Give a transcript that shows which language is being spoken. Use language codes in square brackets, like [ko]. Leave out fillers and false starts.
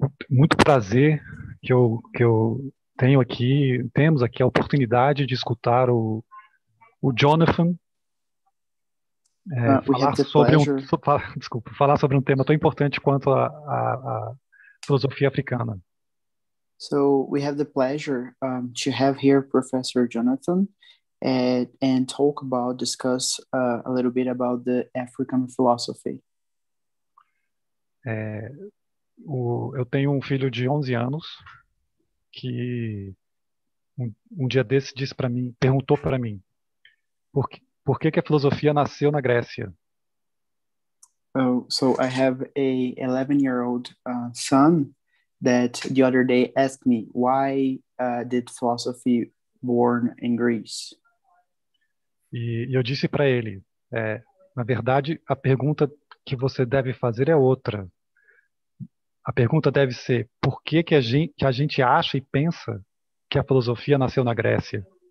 [pt] Muito prazer que eu tenho aqui, temos aqui a oportunidade de escutar o Jonathan [en] We have [pt] falar [en] the [pt] sobre um [en] pleasure. [pt] desculpa, falar sobre um tema tão importante quanto a filosofia africana. [en] So we have the pleasure to have here Professor Jonathan and talk about discuss a little bit about the African philosophy. [pt] Eu tenho um filho de 11 anos que um dia desse disse para mim, perguntou para mim, por que a filosofia nasceu na Grécia? [en] Oh, so I have a 11-year-old son that the other day asked me, why did philosophy born in Greece? [pt] E eu disse para ele, na verdade, a pergunta que você deve fazer é outra. A pergunta deve ser: por que que a gente acha e pensa que a filosofia nasceu na Grécia?